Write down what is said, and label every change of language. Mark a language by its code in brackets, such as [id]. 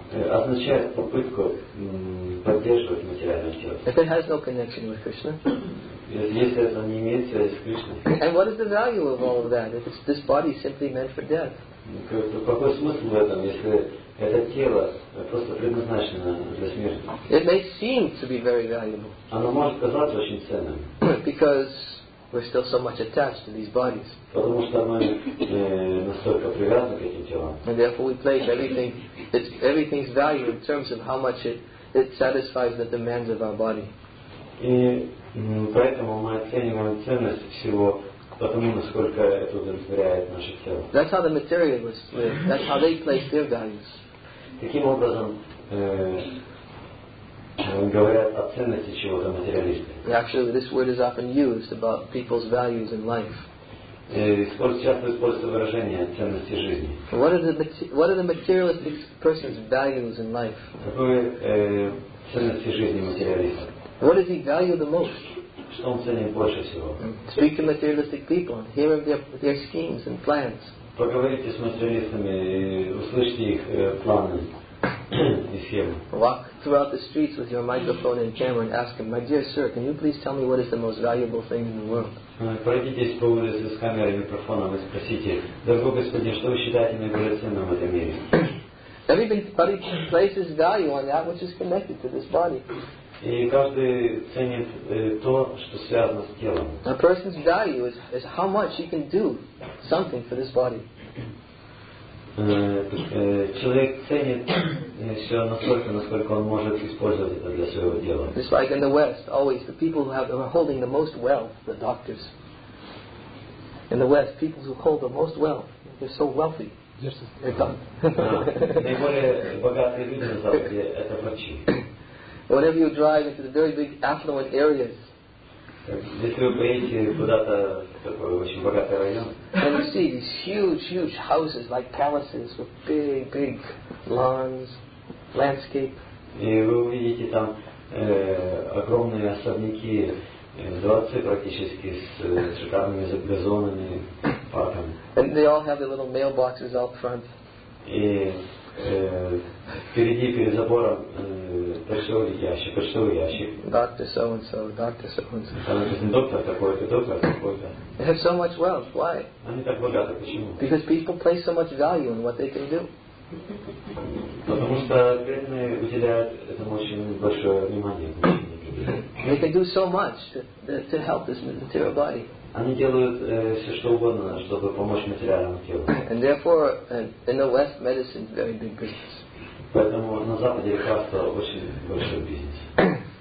[ru] Означает попытку поддерживать материальное тело. [en] If it has no connection with Krishna. [ru] Если это не имеет связи с Кришной. [en] And what is the value of all of that if this body is simply meant for death? [ru] Какой смысл в этом, если это тело просто предназначено для смерти. [en] It may seem to be very valuable. [ru] Оно может казаться очень ценным. [en] Because we're still so much attached to these bodies. [ru] Потому что мы настолько привязаны к этим телам. [en] And therefore we place everything, everything's value in terms of how much it satisfies the demands of our body. [ru] И поэтому мы оцениваем ценность всего потому, насколько это удовлетворяет наше тело. [en] That's how the materialists live. That's how they place their values. [ru] Таким образом, говорят о ценности чего-то материалисты. [en] Actually, this word is often used about people's values in life. [ru] Часто используется выражение ценности жизни. [en] What are the materialistic person's values in life? [ru] Какой ценности жизни материалиста? [en] What does he value the most? [ru] Что он ценит больше всего? [en] Speak to materialistic people and hear of their schemes and plans. [ru] Поговорите с материалистами и услышьте их планы и схемы. [en] Walk throughout the streets with your microphone and camera and ask them, my dear sir, can you please tell me what is the most valuable thing in the world? [ru] Пройдитесь по улице с камерой и микрофоном и спросите, дорогой господин, что вы считаете наиболее ценным в этом мире? [en] Everybody places value on that which is connected to this body. [ru] И каждый ценит то, что связано с телом. [en] A person's value is how much he can do something for this body. [ru] Человек ценит все настолько, насколько он может использовать это для своего дела. [en] It's like in the West, always the people who have are holding the most wealth, the doctors. In the West, people who hold the most wealth, they're so wealthy. [ru] Наиболее богатые люди на Западе — это врачи. [en] Whenever you drive into the very big affluent areas, and you see these huge, huge houses like palaces with big, big lawns, landscape. [ru] И вы увидите там огромные особняки, дворцы практически с шикарными газонами, парком. [en] And they all have their little mailboxes out front. [ru] И впереди перед забором почтовый ящик, [en] Доктор so and so, доктор so and so. [ru] Там написано доктор такой-то, [en] They have so much wealth. Why? [ru] Они так богаты. Почему? [en] Because people place so much value in what they can do. [ru] Потому что бедные уделяют этому очень большое внимание. [en] They can do so much to help this material body. [ru] Они делают все что угодно, чтобы помочь материальному телу. [en] And therefore, in the West, medicine is very big business. [ru] Поэтому на Западе лекарство очень большой бизнес.